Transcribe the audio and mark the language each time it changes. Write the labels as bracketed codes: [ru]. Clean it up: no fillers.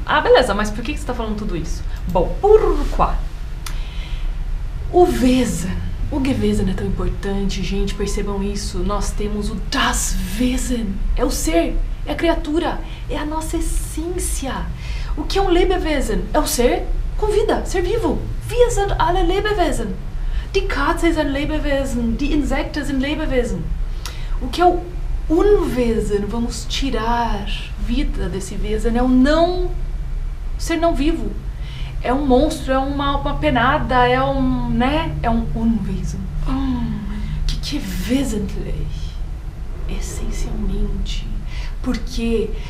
[pt] Ah, beleza, mas por que que você tá falando tudo isso? Bom, pourquoi? O gewesen é tão importante, gente, percebam isso. Nós temos o das wesen, é o ser, é a criatura, é a nossa essência. O que é um Lebewesen? É o ser com vida, ser vivo. [de] Wir sind alle Lebewesen. Die Katze ist ein Lebewesen, die Insekten sind Lebewesen. [pt] O que é o Unwesen? Vamos tirar vida desse Wesen, é o não, ser não vivo. É um monstro, é uma penada, é um, né? É um Unwesen. Que é wesentlich? Essencialmente. Por quê?